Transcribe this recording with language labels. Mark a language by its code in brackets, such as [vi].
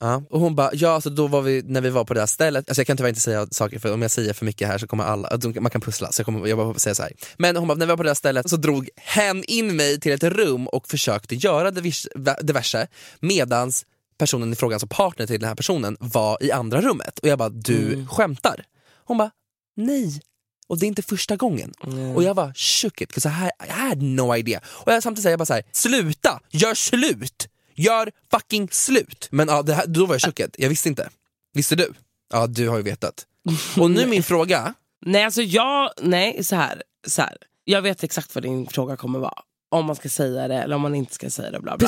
[sv] Och hon bara, ja, alltså då var vi, när vi var på det där stället, alltså jag kan tyvärr inte säga saker, för om jag säger för mycket här så kommer alla, man kan pussla, så jag bara säga så här. Men hon bara, när vi var på det där stället så drog hen in mig till ett rum och försökte göra diverse medans personen i frågan, alltså partner till den här personen, var i andra rummet. Och jag bara, du skämtar? Hon bara, nej. Och det är inte första gången. Mm. Och jag bara, [en] shook it, because I had no idea. [sv] Och jag samtidigt säger, jag bara så här, sluta, gör slut. Gör fucking slut. Men ja, det här, då var jag chockad. Jag visste inte. Visste du? Ja, du har ju vetat. Och nu min fråga. Nej, alltså jag, nej, så här. Jag vet exakt vad din fråga kommer vara. Om man ska säga det eller om man inte ska säga det, bla bla.